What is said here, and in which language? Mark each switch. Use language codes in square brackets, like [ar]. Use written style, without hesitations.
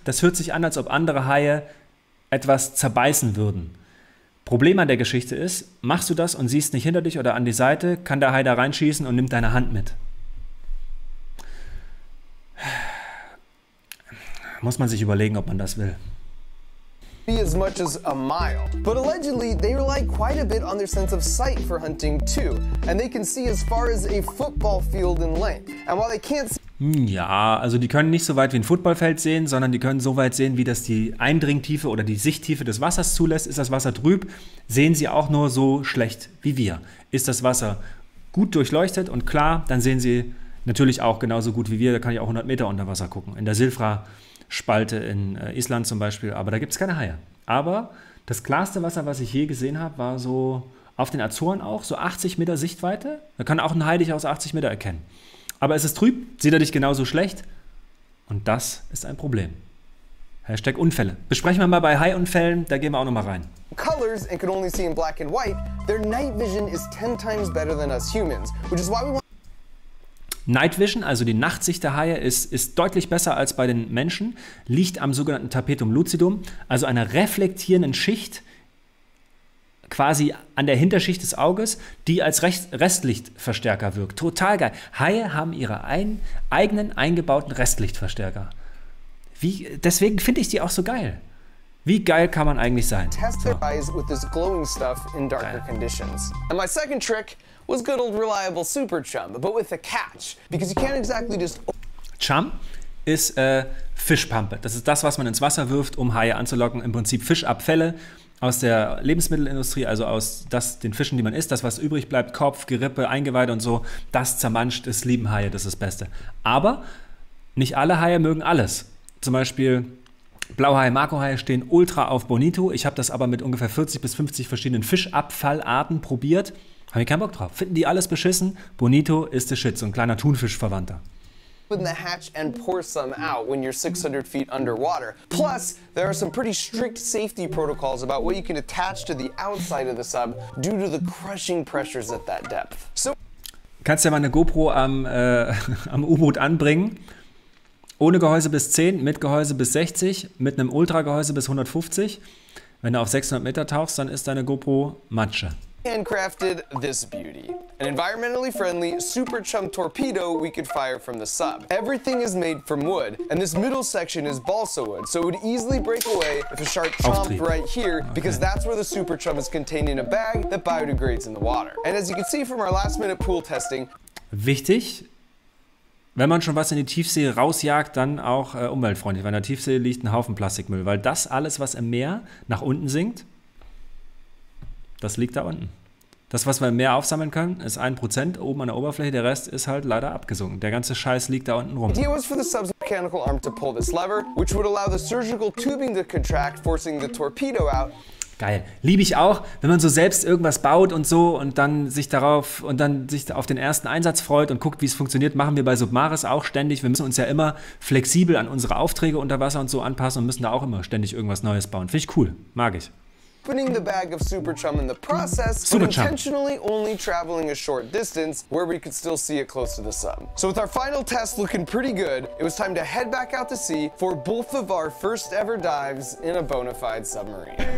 [de] Das hört sich an, als ob andere Haie etwas zerbeißen würden. Problem an der Geschichte ist, machst du das und siehst nicht hinter dich oder an die Seite, kann der Hai da reinschießen und nimmt deine Hand mit. Muss man sich überlegen, ob man das will. [en] As much as a mile. But allegedly, they rely quite a bit on their sense of sight for hunting too. And they can see as far as a football field in length. And while they can't see... [de] Ja, also die können nicht so weit wie ein Footballfeld sehen, sondern die können so weit sehen, wie das die Eindringtiefe oder die Sichttiefe des Wassers zulässt. Ist das Wasser trüb, sehen sie auch nur so schlecht wie wir. Ist das Wasser gut durchleuchtet und klar, dann sehen sie natürlich auch genauso gut wie wir. Da kann ich auch 100 Meter unter Wasser gucken. In der Silfra-Spalte in Island zum Beispiel, aber da gibt es keine Haie. Aber das klarste Wasser, was ich je gesehen habe, war so auf den Azoren auch, so 80 Meter Sichtweite. Da kann auch ein Hai dich aus 80 Meter erkennen. Aber es ist trüb, sieht er dich genauso schlecht und das ist ein Problem. Hashtag Unfälle. Besprechen wir mal bei Haiunfällen, da gehen wir auch nochmal rein. [en] Colors and can only see in black and white, their night vision is 10 times better than us humans, which is why we want... [de] Night Vision, also die Nachtsicht der Haie, ist deutlich besser als bei den Menschen, liegt am sogenannten Tapetum lucidum, also einer reflektierenden Schicht, quasi an der Hinterschicht des Auges, die als Restlichtverstärker wirkt. Total geil. Haie haben ihre eigenen eingebauten Restlichtverstärker. Deswegen finde ich die auch so geil. Wie geil kann man eigentlich sein? [en] Test their eyes with this glowing stuff in darker conditions. And my second trick was good old reliable super chum, but with a catch. Because you can't exactly just... [de] Chum ist Fischpampe. Das ist das, was man ins Wasser wirft, um Haie anzulocken. Im Prinzip Fischabfälle aus der Lebensmittelindustrie, also aus den Fischen, die man isst, das, was übrig bleibt, Kopf, Gerippe, Eingeweide und so, das zermanscht, es lieben Haie, das ist das Beste. Aber nicht alle Haie mögen alles. Zum Beispiel Blauhaie, Makrohaie stehen ultra auf Bonito. Ich habe das aber mit ungefähr 40 bis 50 verschiedenen Fischabfallarten probiert. Habe ich keinen Bock drauf. Finden die alles beschissen? Bonito ist der Shit, so ein kleiner Thunfischverwandter. [en] In the hatch and pour some out when you're 600 feet underwater. Plus, there are some pretty strict safety protocols about what you can attach to the outside of the sub due to the crushing pressures at that depth. So, [de] kannst du ja mal eine GoPro am U-Boot anbringen? Ohne Gehäuse bis 10, mit Gehäuse bis 60, mit einem Ultra-Gehäuse bis 150. Wenn du auf 600 Meter tauchst, dann ist deine GoPro Matsche. [en] Handcrafted this beauty. An environmentally friendly super chum torpedo we could fire from the sub. Everything is made from wood and this middle section is balsa wood, so it would easily break away if a shark chomped right here, because that's where the super chum is contained in a bag that biodegrades in the water. And as you can see from our last minute pool testing. [de] Wichtig, wenn man schon was in die Tiefsee rausjagt, dann auch umweltfreundlich, weil in der Tiefsee liegt ein Haufen Plastikmüll, weil das alles, was im Meer nach unten sinkt, das liegt da unten. Das, was wir im Meer aufsammeln können, ist 1% oben an der Oberfläche, der Rest ist halt leider abgesunken. Der ganze Scheiß liegt da unten rum. [en] The idea was for the subs, mechanical arm to pull this lever, which would allow the surgical tubing to contract, forcing the torpedo out. [de] Geil. Liebe ich auch, wenn man so selbst irgendwas baut und so und dann sich darauf und dann sich auf den ersten Einsatz freut und guckt, wie es funktioniert, machen wir bei Submaris auch ständig. Wir müssen uns ja immer flexibel an unsere Aufträge unter Wasser und so anpassen und müssen da auch immer ständig irgendwas Neues bauen. Finde ich cool. Mag ich. [en] Opening the bag of Super Chum in the process, Super but intentionally Chum. Only traveling a short distance where we could still see it close to the sun. So with our final test looking pretty good, it was time to head back out to sea for both of our first ever dives in a bona fide submarine.